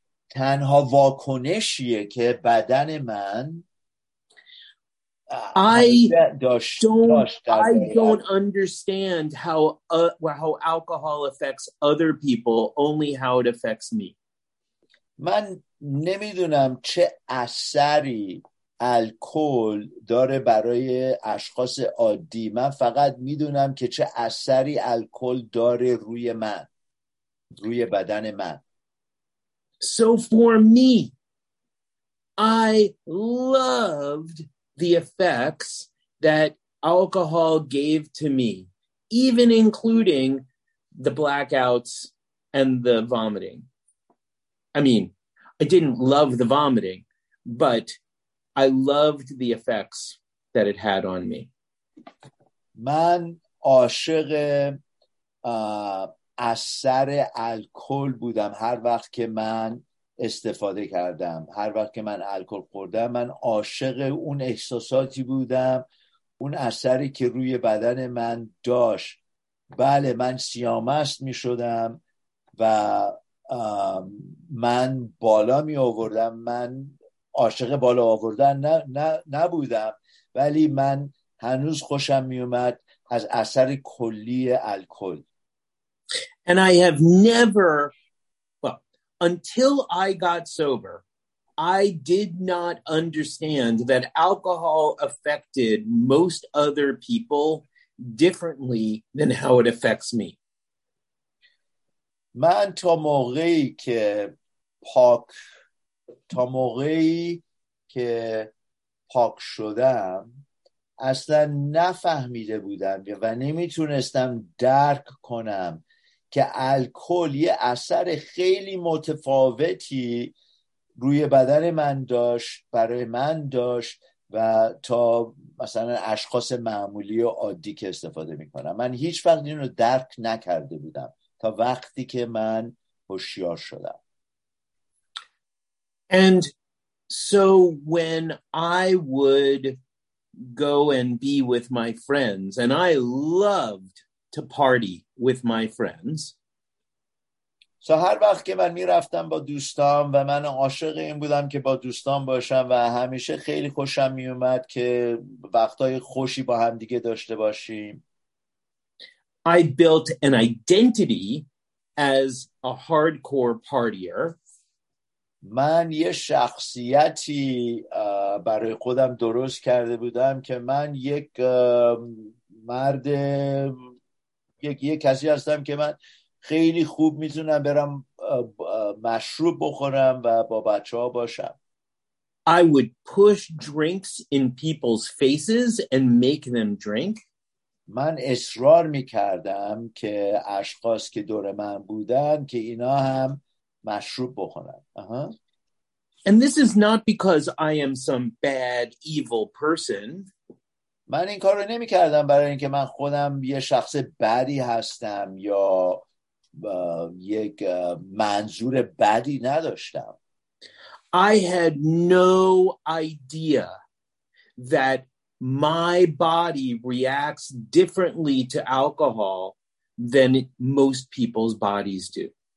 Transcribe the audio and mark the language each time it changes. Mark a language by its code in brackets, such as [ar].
[fa] تنها واکنشیه که بدن من [en] I don't understand how alcohol affects other people, only how it affects me. [fa] من نمیدونم چه اثری الکل داره برای اشخاص عادی. من فقط میدونم که چه اثری الکل داره روی من، روی بدن من. [en] So for me, I loved the effects that alcohol gave to me, even including the blackouts and the vomiting. I mean, I didn't love the vomiting, but I loved the effects that it had on me. [fa] من عاشق اثر الکل بودم. هر وقت که من استفاده کردم، هر وقت که من الکل خوردم، من عاشق اون احساساتی بودم، اون اثری که روی بدن من داشت. بله، من سیامست می شدم و من بالا می آوردم. من عاشق بالا آوردن نبودم، ولی من هنوز خوشم می اومد از اثر کلی الکل. [en] And I have never, well, until I got sober, I did not understand that alcohol affected most other people differently than how it affects me. [fa] من تا موقعی که پاک، تا موقعی که پاک شدم، اصلا نفهمیده بودم و نمیتونستم درک کنم که الکل یه اثر خیلی متفاوتی روی بدن من داشت، برای من داشت و تا مثلا اشخاص معمولی و عادی که استفاده میکنم. من هیچ وقت این رو درک نکرده بودم تا وقتی که من هوشیار شدم. [en] And so when I would go and be with my friends, and I loved to party with my friends. [fa] So هر وقت که من میرفتم با دوستام و من عاشق این بودم که با دوستام باشم و همیشه خیلی خوشم میومد که وقتای خوشی با هم دیگه داشته باشیم. [en] I built an identity as a hardcore partier. [fa] من یه شخصیتی برای خودم درست کرده بودم که من یک مرد، یک کسی هستم که من خیلی خوب میتونم برم مشروب بخورم و با بچه‌ها باشم. [en] I would push drinks in people's faces and make them drink. [fa] من اصرار میکردم که اشخاص که دور من بودن که اینا هم مشروب بخورن. [en] And this is not because I am some bad evil person. [fa] من این کار رو نمی کردم برای اینکه من خودم یه شخص بدی هستم یا یک منظور بدی نداشتم. [en] I had no idea that my body reacts differently to alcohol than most people's bodies do.